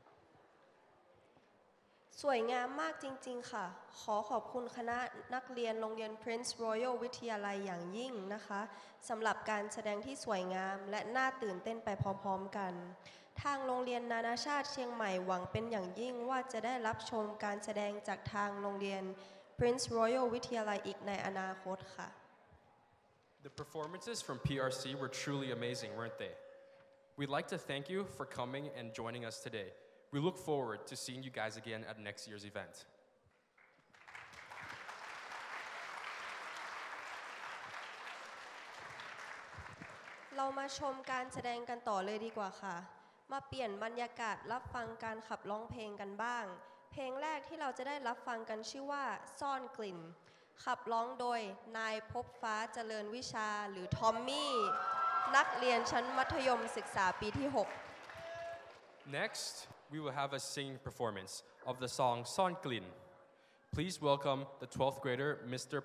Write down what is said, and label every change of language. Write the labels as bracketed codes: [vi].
[th] วยงามมากจริงๆค่ะขอขอบคุณคณะนักเรียนโรงเรียน Prince Royal วิทยาลัยอย่างยิ่งนะคะสำหรับการแสดงที่สวยงามและน่าตื่นเต้นไปพร้อมๆกันทางโรงเรียนนานาชาติเชียงใหม่หวังเป็นอย่างยิ่งว่าจะได้รับชมการแสดงจากทางโรงเรียน Prince Royal วิทยาลัยอีกในอนาคตค่ะ [en] The performances from PRC were truly amazing, weren't they? We'd like to thank you for coming and joining us today. We look forward to seeing you guys again at next year's event. [th] เรามาชมการแสดงกันต่อเลยดีกว่าค่ะมาเปลี่ยนบรรยากาศรับฟังการขับร้องเพลงกันบ้างเพลงแรกที่เราจะได้รับฟังกันชื่อว่าซ่อนกลิ่นขับร้องโดยนายพบฟ้าเจริญวิชาหรือทอมมี่นักเรียนชั้นมัธยมศึกษาปีที่6 [en] Next we will have a singing performance of the song Son Glin Please welcome the 12th grader Mr.